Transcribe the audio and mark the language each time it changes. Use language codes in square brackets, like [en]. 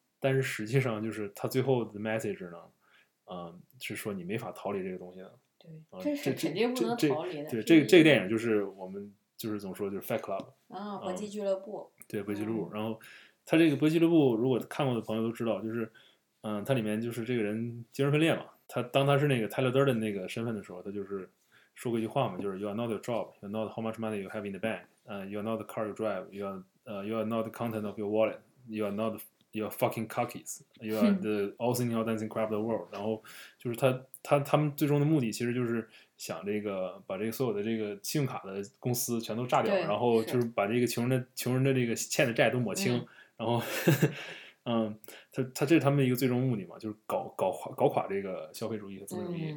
[zh] 但是实际上就是它最后的 message 呢，是说你没法逃离这个东西的。对，这是肯定不能逃离的。对，这个电影就是我们。就是怎么说，就是 Fight Club 啊，搏击俱乐部。对，搏击俱乐部。然后，他这个搏击俱乐部，如果看过的朋友都知道，就是，他里面就是这个人精神分裂嘛。当他是那个 Tyler Durden 的那个身份的时候，他就是说过一句话嘛，就是 [en] "You are not your job, you are not how much money you have in the bank, you are not the car you drive, you are not the content of your wallet, you are not you are fucking cockies, you are the all thinking all dancing crap of the world. [zh] 然后就是他们最终的目的其实就是想这个把这个所有的这个信用卡的公司全都炸掉，然后就是把这个穷人的这个欠的债都抹清，然后他这是他们一个最终目的嘛，就是搞垮这个消费主义和资本主义。